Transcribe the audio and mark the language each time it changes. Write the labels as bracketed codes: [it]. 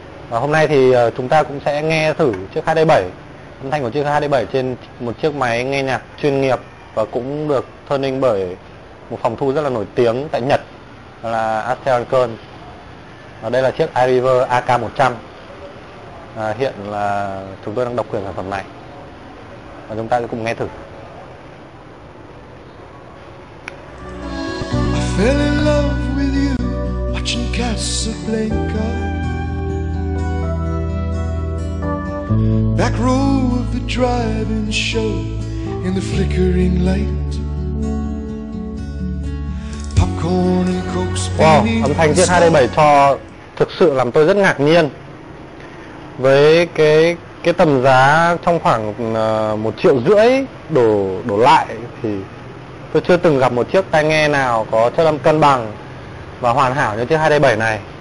[vi] Và hôm nay thì chúng ta cũng sẽ nghe thử chiếc 227, âm thanh của chiếc 227 trên một chiếc máy nghe nhạc chuyên nghiệp và cũng được tuning bởi một phòng thu rất là nổi tiếng tại Nhật là Astelkern. Và đây là chiếc iRiver AK100, hiện là chúng tôi đang độc quyền sản phẩm này, và chúng ta sẽ cùng nghe thử. [en] Fell in love with you watching Casablanca. Back row of the drive-in show in the flickering light. Popcorn and Coke. [vi] Wow, âm thanh chiếc 227 cho thực sự làm tôi rất ngạc nhiên. Với cái tầm giá trong khoảng 1,5 triệu đổ lại thì tôi chưa từng gặp một chiếc tai nghe nào có chất âm cân bằng và hoàn hảo như chiếc 227 này.